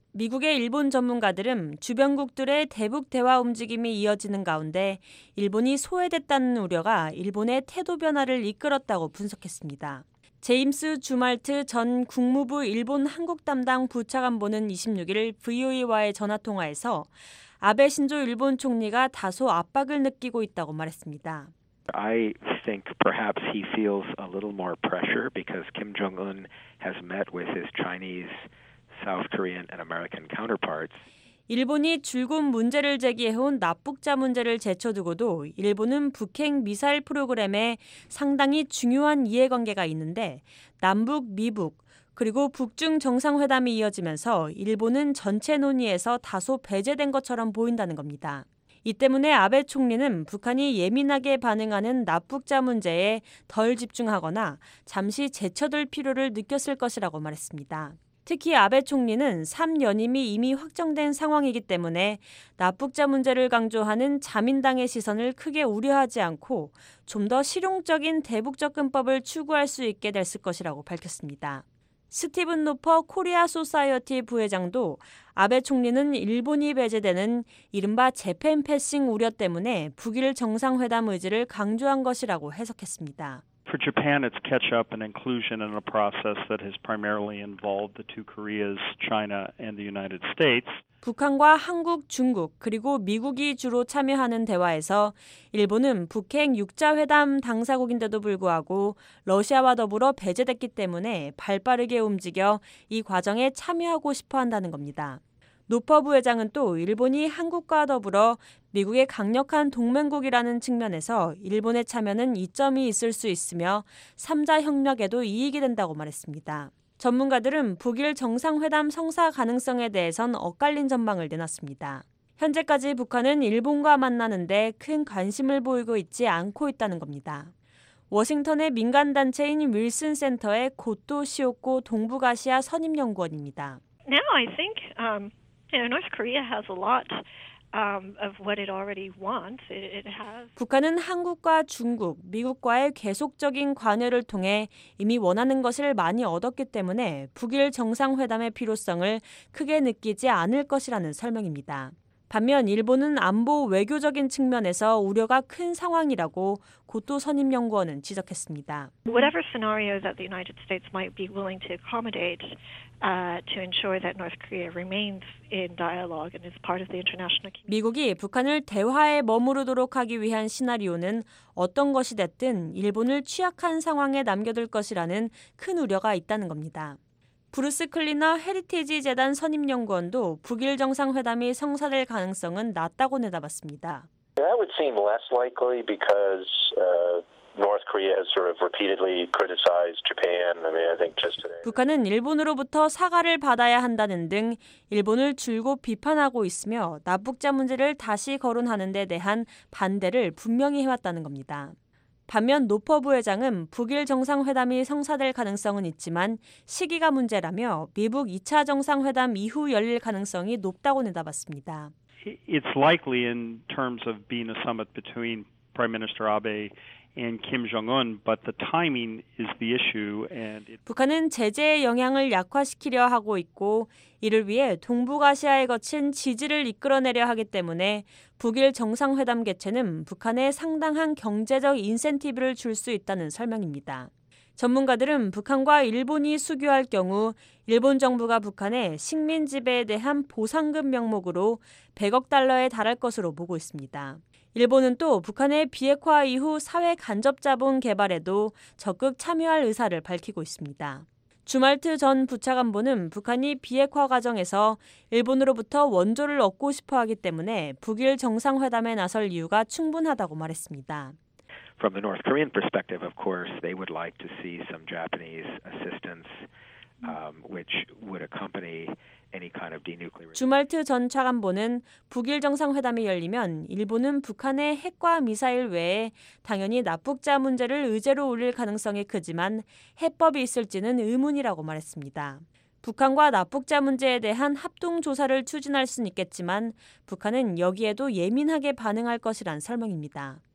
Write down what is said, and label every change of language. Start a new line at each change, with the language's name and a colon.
Korean: 미국의 일본 전문가들은 주변국들의 대북 대화 움직임이 이어지는 가운데 일본이 소외됐다는 우려가 일본의 태도 변화를 이끌었다고 분석했습니다. 제임스 주말트 전 국무부 일본 한국 담당 부차관보는 26일 VOA와의 전화통화에서 아베 신조 일본 총리가 다소 압박을 느끼고 있다고 말했습니다.
English: I think perhaps he feels a little more pressure because Kim Jong-un has met with his Chinese, South Korean and American counterparts.
Korean: 일본이 줄곧 문제를 제기해온 납북자 문제를 제쳐두고도 일본은 북핵 미사일 프로그램에 상당히 중요한 이해관계가 있는데 남북, 미북, 그리고 북중 정상회담이 이어지면서 일본은 전체 논의에서 다소 배제된 것처럼 보인다는 겁니다. 이 때문에 아베 총리는 북한이 예민하게 반응하는 납북자 문제에 덜 집중하거나 잠시 제쳐둘 필요를 느꼈을 것이라고 말했습니다. 특히 아베 총리는 3연임이 이미 확정된 상황이기 때문에 납북자 문제를 강조하는 자민당의 시선을 크게 우려하지 않고 좀 더 실용적인 대북 접근법을 추구할 수 있게 됐을 것이라고 밝혔습니다. 스티븐 노퍼 코리아 소사이어티 부회장도 아베 총리는 일본이 배제되는 이른바 재팬 패싱 우려 때문에 북일 정상회담 의지를 강조한 것이라고 해석했습니다.
English: For Japan, it's catch up and inclusion in a process that has primarily involved the two Koreas, China, and the United States.
Korean: 북한과 한국, 중국, 그리고 미국이 주로 참여하는 대화에서 일본은 북핵 6자회담 당사국인데도 불구하고 러시아와 더불어 배제됐기 때문에 발빠르게 움직여 이 과정에 참여하고 싶어 한다는 겁니다. 노퍼 부회장은 또 일본이 한국과 더불어 미국의 강력한 동맹국이라는 측면에서 일본의 참여는 이점이 있을 수 있으며 3자 협력에도 이익이 된다고 말했습니다. 전문가들은 북일 정상회담 성사 가능성에 대해선 엇갈린 전망을 내놨습니다. 현재까지 북한은 일본과 만나는데 큰 관심을 보이고 있지 않고 있다는 겁니다. 워싱턴의 민간단체인 윌슨 센터의 고토 시오코 동북아시아 선임연구원입니다.
English: Now I think North Korea has a lot of what it already wants. It has.
Korean: 북한은 한국과 중국, 미국과의 계속적인 관여를 통해 이미 원하는 것을 많이 얻었기 때문에 북일 정상회담의 필요성을 크게 느끼지 않을 것이라는 설명입니다. 반면 일본은 안보 외교적인 측면에서 우려가 큰 상황이라고 고토 선임 연구원은 지적했습니다.
English: Whatever scenario that the United States might be willing to accommodate to ensure that North Korea remains in dialogue and is part of the international community.
Korean: 미국이 북한을 대화에 머무르도록 하기 위한 시나리오는 어떤 것이 됐든 일본을 취약한 상황에 남겨둘 것이라는 큰 우려가 있다는 겁니다. 브루스 클리너 헤리티지 재단 선임 연구원도 북일 정상회담이 성사될 가능성은 낮다고 내다봤습니다.
English: That would seem less likely because North Korea has sort of repeatedly criticized Japan. I think just today.
Korean: 북한은 일본으로부터 사과를 받아야 한다는 등 일본을 줄곧 비판하고 있으며 납북자 문제를 다시 거론하는 데 대한 반대를 분명히 해왔다는 겁니다. 반면 노퍼 부회장은 북일 정상회담이 성사될 가능성은 있지만 시기가 문제라며 미북 2차 정상회담 이후 열릴 가능성이 높다고 내다봤습니다.
English: It's likely in terms of being a summit between Prime Minister Abe and Kim Jong-un, but the timing is the issue. And it...
Korean: 북한은 제재의 영향을 약화시키려 하고 있고 이를 위해 동북아시아에 거친 지지를 이끌어내려 하기 때문에 북일 정상회담 개최는 북한에 상당한 경제적 인센티브를 줄 수 있다는 설명입니다. 전문가들은 북한과 일본이 수교할 경우 일본 정부가 북한의 식민 지배에 대한 보상금 명목으로 100억 달러에 달할 것으로 보고 있습니다. 일본은 또 북한의 비핵화 이후 사회 간접 자본 개발에도 적극 참여할 의사를 밝히고 있습니다. 주말트 전 부차관보는 북한이 비핵화 과정에서 일본으로부터 원조를 얻고 싶어 하기 때문에 북일 정상회담에 나설 이유가 충분하다고 말했습니다.
English: From the North Korean perspective, of course, they would like to see some Japanese assistance which would accompany any kind of denuclearization.
Korean: 주말트 전 차관보는 북일 정상회담이 열리면 일본은 북한의 핵과 미사일 외에 당연히 납북자 문제를 의제로 올릴 가능성이 크지만 해법이 있을지는 의문이라고 말했습니다. 북한과 납북자 문제에 대한 합동 조사를 추진할 수는 있겠지만 북한은 여기에도 예민하게 반응할 것이란 설명입니다.